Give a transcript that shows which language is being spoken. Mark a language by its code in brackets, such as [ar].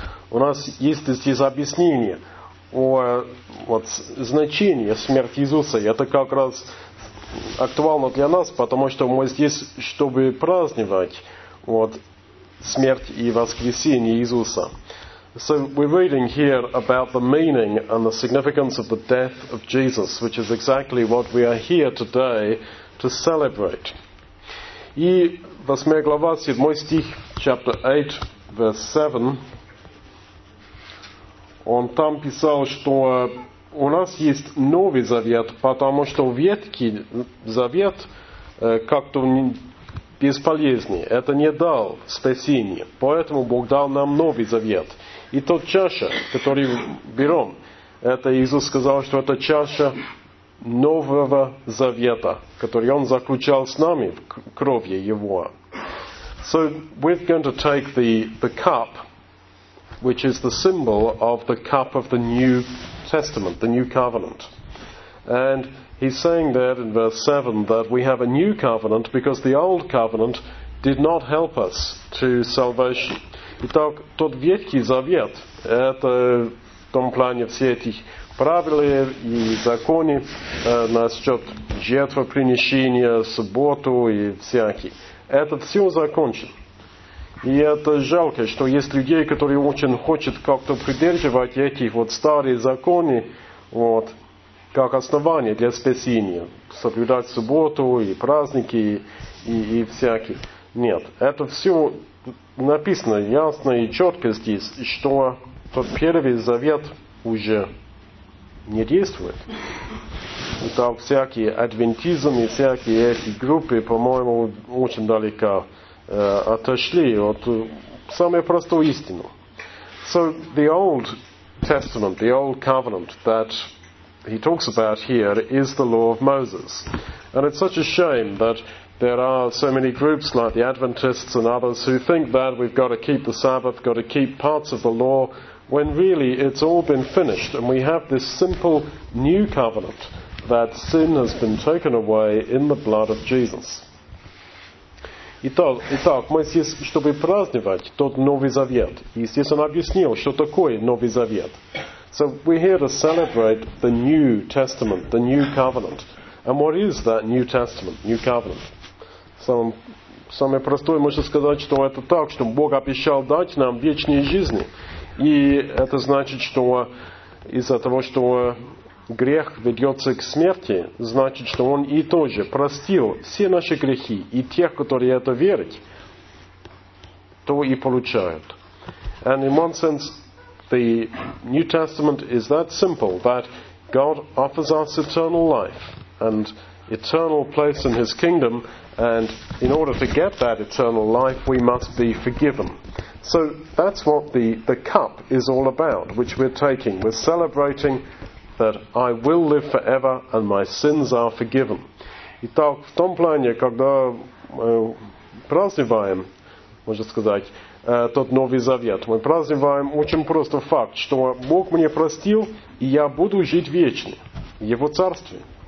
[ru] У нас есть здесь объяснение о вот, значении смерти Иисуса. И это как раз актуально для нас, потому что мы здесь, чтобы праздновать вот, смерть и воскресение Иисуса. [en] So we're reading here about the meaning and the significance of the death of Jesus, which is exactly what we are here today to celebrate. [ru] И 8 глава, 7 стих, [en] chapter 8, verse 7, [ru] он там писал, что у нас есть Новый Завет, потому что Ветхий Завет как-то бесполезный. Это не дал спасения. Поэтому Бог дал нам Новый Завет. И тот чаша, который берем, это Иисус сказал, что это чаша Нового Завета, который Он заключал с нами в крови Его. [en] So we're going to take the cup, which is the symbol of the cup of the New Testament, the New Covenant. And he's saying there in verse 7 that we have a new covenant because the old covenant did not help us to salvation. [ru] Итак, тот Ветхий Завет, это в том плане все эти правила и законы насчет жертвоприношения, субботу и всякие. Это все закончено. И это жалко, что есть людей, которые очень хотят как-то придерживать эти вот старые законы вот, как основание для спасения. Соблюдать субботу и праздники и всякие. Нет, это все написано ясно и четко здесь, что тот первый завет уже не действует. И там всякие адвентизм и всякие эти группы, по-моему, очень далеко отошли от самой простой истины. [en] So the Old Testament, the Old Covenant that he talks about here is the law of Moses. And it's such a shame that there are so many groups like the Adventists and others who think that we've got to keep the Sabbath, got to keep parts of the law, when really it's all been finished and we have this simple new covenant that sin has been taken away in the blood of Jesus. [ru] Итак, мы здесь, чтобы праздновать тот Новый Завет. И здесь он объяснил, что такое Новый Завет. [en] So we're here to celebrate the New Testament, the New Covenant. And what is that New Testament, New Covenant? [ru] Самое простое, можно сказать, что это так, что Бог обещал дать нам вечные жизни. И это значит, что из-за того, что грех ведется к смерти, значит, что Он и тоже простил все наши грехи, и тех, которые это верят, то и получают. [en] And in one sense, the New Testament is that simple, that God offers us eternal life and eternal place in His kingdom, and in order to get that eternal life, we must be forgiven. So that's what the cup is all about, which we're taking. We're celebrating that I will live forever and my sins are forgiven. [ru] Итак, в том плане, когда мы празднуем, можно сказать, тот Новый Завет, мы празднуем очень просто факт, что Бог мне простил, и я буду жить вечно в Его Царстве.